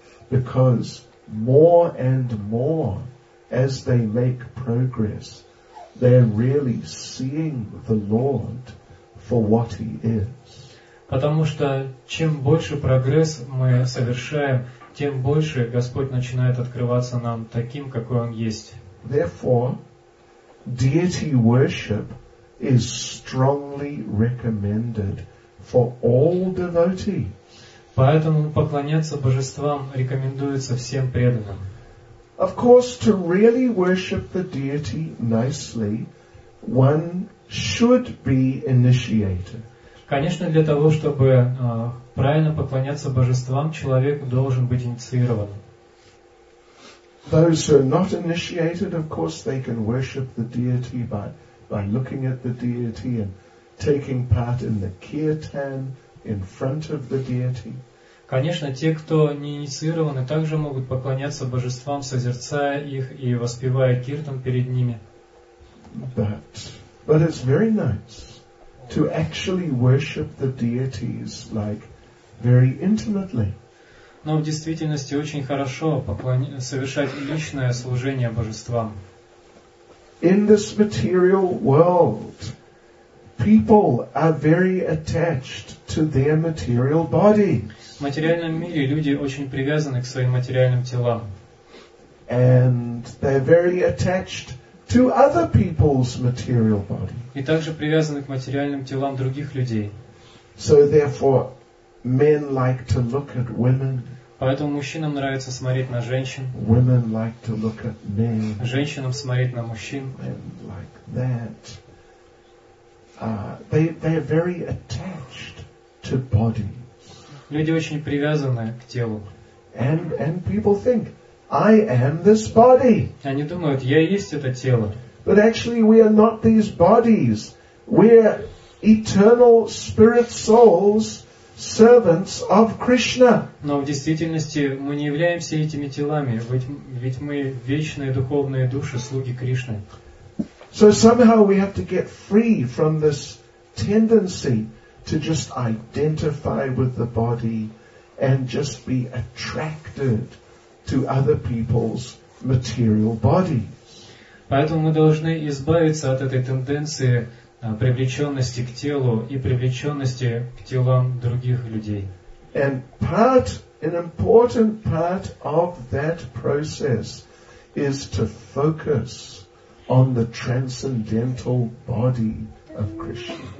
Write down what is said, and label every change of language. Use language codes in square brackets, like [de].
[en] Because more and more, as they make progress, they're really seeing the Lord for what He is. [ru] Потому что чем больше прогресс мы совершаем, тем больше Господь начинает открываться нам таким, какой Он есть. [en] Therefore, deity worship is strongly recommended for all devotees. [ru] Поэтому поклоняться божествам рекомендуется всем преданным. [en] Of course, to really worship the deity nicely, one should be initiated. [ru] Конечно, для того, чтобы правильно поклоняться божествам, человек должен быть инициирован. [en] Those who are not initiated, of course, they can worship the deity by looking at the deity and taking part in the kirtan in front of the deity. [ru] Конечно, те, кто не инициированы, также могут поклоняться божествам, созерцая их и воспевая киртан перед ними. [en] But it's very nice to actually worship the deities like very intimately. [ru] Но в действительности очень хорошо совершать личное служение божествам. [en] In this material world, people are very attached to their material bodies. [ru] В материальном мире люди очень привязаны к своим материальным телам. [en] And they're very attached to other people's material bodies. [ru] И также привязаны к материальным телам других людей. [en] So therefore, men like to look at women. [ru] Поэтому мужчинам нравится смотреть на женщин. [en] Women like to look at men. [ru] Женщинам смотреть на мужчин. [en] Men like that. They are very attached to bodies. [ru] Люди очень привязаны к телу. [en] And people think, I am this body. [ru] Они думают, я есть это тело. [en] But actually we are not these bodies. We are eternal spirit souls, servants of Krishna. [ru] Но в действительности мы не являемся этими телами, ведь мы вечные духовные души, слуги Кришны. [en] So somehow we have to get free from this tendency to just identify with the body and just be attracted to other people's material bodies. [ru] Поэтому мы должны избавиться от этой тенденции привлеченности к телу и привлеченности к телам других людей. [en] And part, an important part of that process is to focus on the transcendental body of Krishna.